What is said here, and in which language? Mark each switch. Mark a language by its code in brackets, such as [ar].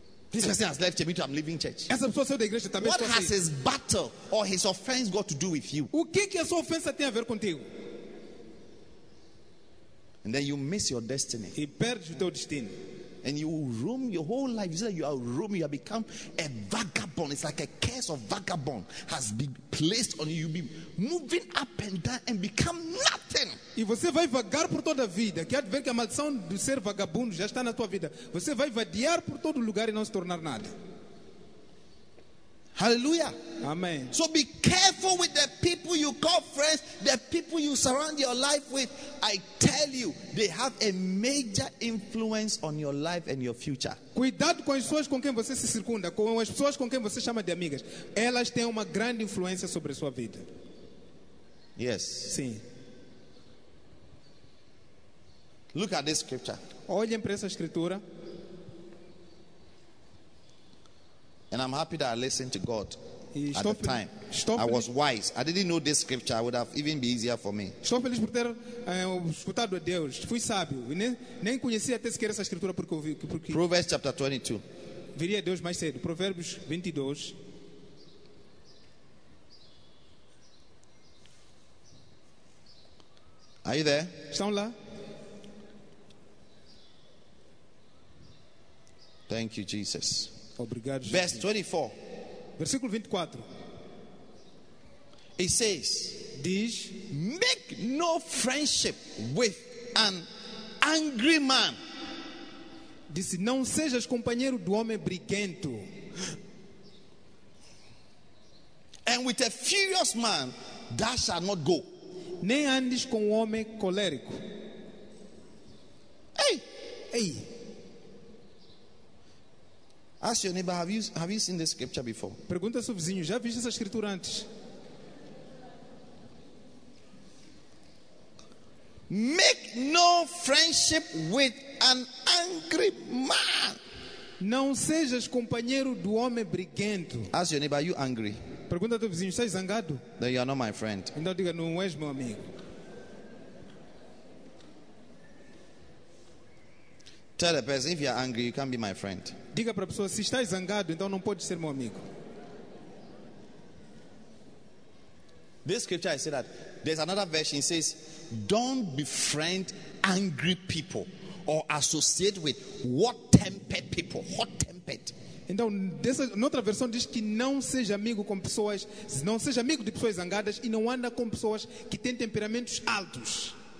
[en] This person has left church, I'm leaving church. [pt] Essa pessoa saiu da igreja, eu também estou saindo. [en] What has his battle or his offense got to do with you? [pt] O que a sua ofensa tem a ver contigo? [en] And then you miss your destiny. [pt] E perde o teu destino. [en] And you roam your whole life. You say you are roaming, you have become a vagabond. It's like a curse of vagabond has been placed on you. You'll be moving up and down and become nothing. [pt] E você vai vagar por toda a vida. Quer ver que a maldição do ser vagabundo já está na tua vida. Você vai vadiar por todo lugar e não se tornar nada. [en] Hallelujah. [pt] Amen. [en] So be careful with the people you call friends, the people you surround your life with. I tell you, they have a major influence on your life and your future. [pt] Cuidado com as pessoas com quem você se circunda, com as pessoas com quem você chama de amigas. Elas têm uma grande influência sobre a sua vida. [en] Yes. [pt] Sim. [en] Look at this scripture. [pt] Olhem para essa escritura. [en] And I'm happy that I listened to God at [pt] feliz, [en] the time. I was wise. I didn't know this scripture. It would have even been easier for me. [pt] Estou feliz por ter escutado a Deus. Fui sábio. Nem conhecia até sequer essa escritura porque ouvi. [en] Proverbs chapter 22. [pt] Viria Deus mais cedo. Provérbios 22. [en] Are you there? [pt] Estão lá. [en] Thank you, Jesus. [pt] Obrigado, Jesus. [en] Verse 24. [pt] Versículo 24. [en] It says, [pt] diz, [en] make no friendship with an angry man. [pt] Disse, não sejas companheiro do homem briguento. [en] And with a furious man, thou shalt not go. [pt] Nem andes com um homem colérico. Ei! Ei! [en] Ask your neighbor, have you seen this scripture before? [pt] Pergunta seu vizinho, já viste essa escritura antes? [en] Make no friendship with an angry man. [pt] Não sejas companheiro do homem briguento. [en] Ask your neighbor, are you angry? [pt] Pergunta ao teu vizinho, estás zangado? [en] Then you are not my friend. [pt] Então diga, não és meu amigo. [en] Tell the person, if you are angry, you can't be my friend. [pt] Diga para a pessoa, se estás zangado, então não podes ser meu amigo. [en] This scripture, I say that there's another version, it says, don't befriend angry people or associate with hot-tempered people. Hot-tempered. [pt] Então, dessa, noutra versão diz que não seja amigo com pessoas, não seja amigo de pessoas zangadas e não anda com pessoas que têm temperamentos altos.